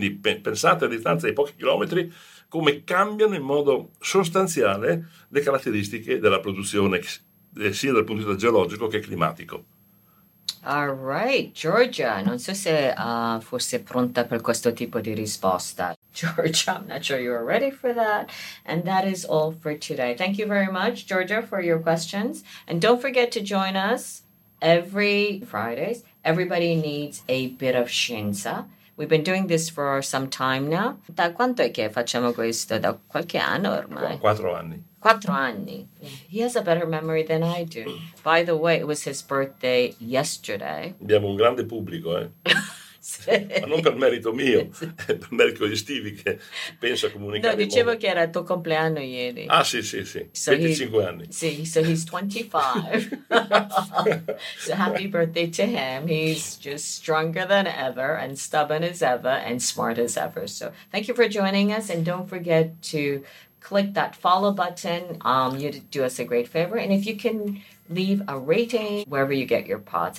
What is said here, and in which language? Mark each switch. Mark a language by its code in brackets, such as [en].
[it] Quindi pensate a distanza di pochi chilometri come cambiano in modo sostanziale le caratteristiche della produzione, sia dal punto di vista geologico che climatico. [en] All right, [it] Giorgia, non so se fosse pronta per questo tipo di risposta. [en] Georgia. I'm not sure you were ready for that. And that is all for today. Thank you very much, Georgia, for your questions. And don't forget to join us every Fridays. Everybody needs a bit of scienza. We've been doing this for some time now. [it] Da quanto è che facciamo questo? Da qualche anno ormai? Quattro anni. Quattro anni. [en] He has a better memory than I do. By the way, it was his birthday yesterday. [it] Abbiamo un grande pubblico, Sì. Ma non per merito mio, sì. Per merito di Stevie che pensa a comunicare. No, dicevo che era il tuo compleanno ieri. Ah, sì. So 25 anni. Sì, [en] so he's 25. So happy birthday to him. He's just stronger than ever and stubborn as ever and smart as ever. So thank you for joining us and don't forget to click that follow button. You do us a great favor. And if you can leave a rating wherever you get your pods.